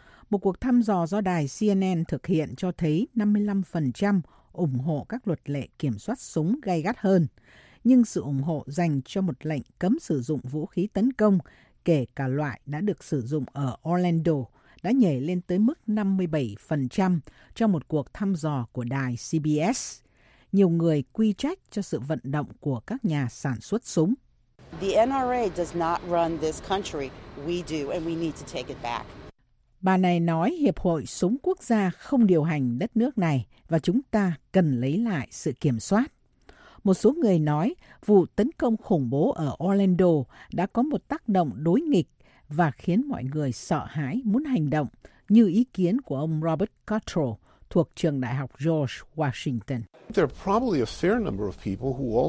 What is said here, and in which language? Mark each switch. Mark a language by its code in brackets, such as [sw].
[vi] Một cuộc thăm dò do đài CNN thực hiện cho thấy 55% ủng hộ các luật lệ kiểm soát súng gay gắt hơn, nhưng sự ủng hộ dành cho một lệnh cấm sử dụng vũ khí tấn công, kể cả loại đã được sử dụng ở Orlando, đã nhảy lên tới mức 57% trong một cuộc thăm dò của đài CBS. Nhiều người quy trách cho sự vận động của các nhà sản xuất súng. [en] The NRA does not run this country. We do, and we need to take it back. [vi] Bà này nói Hiệp hội Súng Quốc gia không điều hành đất nước này và chúng ta cần lấy lại sự kiểm soát. Một số người nói vụ tấn công khủng bố ở Orlando đã có một tác động đối nghịch và khiến mọi người sợ hãi muốn hành động, như ý kiến của ông Robert Cottrell thuộc trường Đại học George Washington. [en] There are probably a fair number of people who